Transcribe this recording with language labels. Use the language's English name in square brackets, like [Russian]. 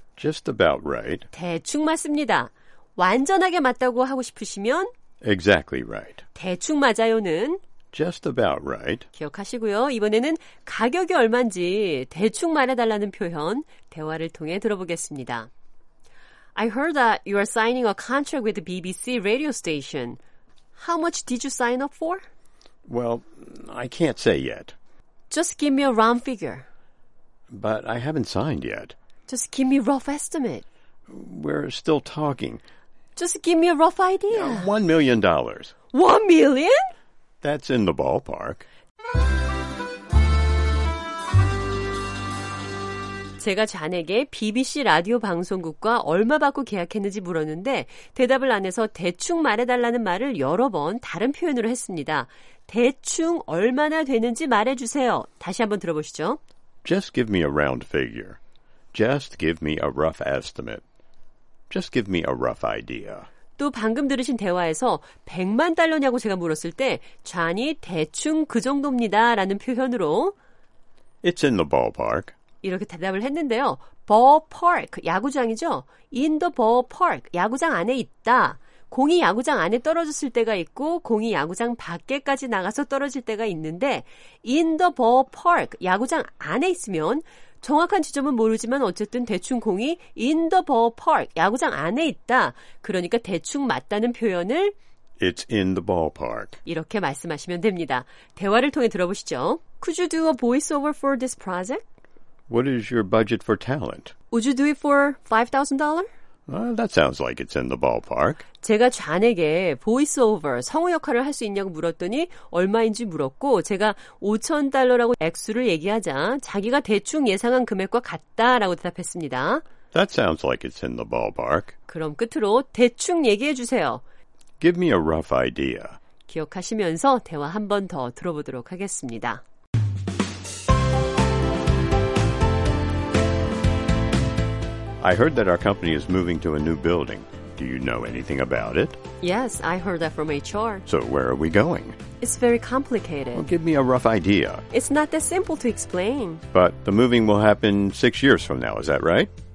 [English] Just about right. [Korean] 대충 맞습니다. 완전하게 맞다고 하고 싶으시면 [English] Exactly right. [Korean] 대충 맞아요는 [English] Just about right. [Korean] 기억하시고요. 이번에는 가격이 얼마인지 대충 말해달라는 표현 대화를 통해 들어보겠습니다. [English] I heard that you are signing a contract with the BBC radio station. How much did you sign up for? Well, I can't say yet. Just give me a round figure. But I haven't signed yet. Just give me a rough estimate. We're still talking. Just give me a rough idea. $1 million. $1 million? That's in the ballpark. [Korean] 제가 잔에게 BBC 라디오 방송국과 얼마 받고 계약했는지 물었는데 대답을 안 해서 대충 말해달라는 말을 여러 번 다른 표현으로 했습니다. 대충 얼마나 되는지 말해주세요. 다시 한번 들어보시죠. [English] Just give me a round figure. Just give me a rough estimate. Just give me a rough idea. [Korean] 또 방금 들으신 대화에서 100만 달러냐고 제가 물었을 때 잔이 대충 그 정도입니다 라는 표현으로 [English] It's in the ballpark. [Korean] 이렇게 대답을 했는데요. Ballpark, 야구장이죠. [English] In the ballpark, [Korean] 야구장 안에 있다. 공이 야구장 안에 떨어졌을 때가 있고 공이 야구장 밖에까지 나가서 떨어질 때가 있는데 In the ballpark, 야구장 안에 있으면 정확한 지점은 모르지만 어쨌든 대충 공이 In the ballpark, 야구장 안에 있다. 그러니까 대충 맞다는 표현을 It's in the ballpark. 이렇게 말씀하시면 됩니다. 대화를 통해 들어보시죠. [English] Could you do a voiceover for this project? What is your budget for talent? Would you do it for $5,000? That sounds like it's in the ballpark. [Korean] 제가 잔에게 voiceover, 성우 역할을 할 수 있냐고 물었더니 얼마인지 물었고 제가 $5,000라고 액수를 얘기하자 자기가 대충 예상한 금액과 같다라고 대답했습니다. [English] That sounds like it's in the ballpark. [Korean] 그럼 끝으로 대충 얘기해 주세요. [English] Give me a rough idea. [Korean] 기억하시면서 대화 한 번 더 들어보도록 하겠습니다. [English] I heard that our company is moving to a new building. Do you know anything about it? Yes, I heard that from HR. So where are we going? It's very complicated. Well, give me a rough idea. It's not that simple to explain. But the moving will happen 6 years from now, is that right?